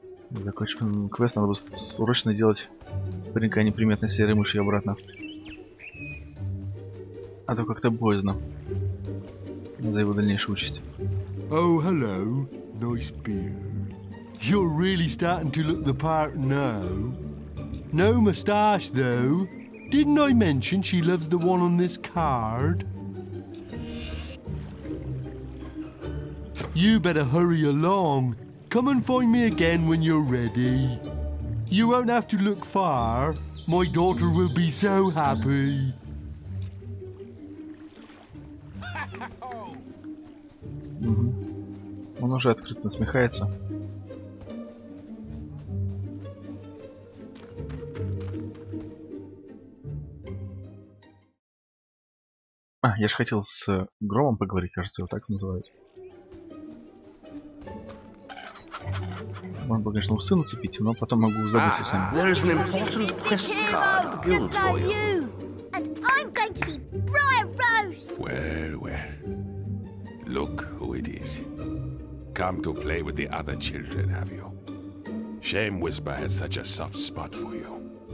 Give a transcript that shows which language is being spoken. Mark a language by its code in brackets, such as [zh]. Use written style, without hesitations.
[ru] Закончим квест, надо бы срочно делать паренька неприметной серой мыши обратно. А то как-то боязно за его дальнейшую участь. [en] Oh, hello. Nice beard. You're really starting to look the part now. No mustache, though. Didn't I mention she loves the one on this card? You better hurry along. Come and find me again when you're ready. You won't have to look far. My daughter will be so happy. [ru] Он уже открыто насмехается. А, я же хотел с Громом поговорить, кажется, его так называют. Можно бы, конечно, усы нацепить, но потом могу забыть все сами. [en] There is an important quest card guild for you. And I'm going to be Briar Rose. Well, well. Look who it is. Come to play with the other children, have you? Shame Whisper has such a soft spot for you.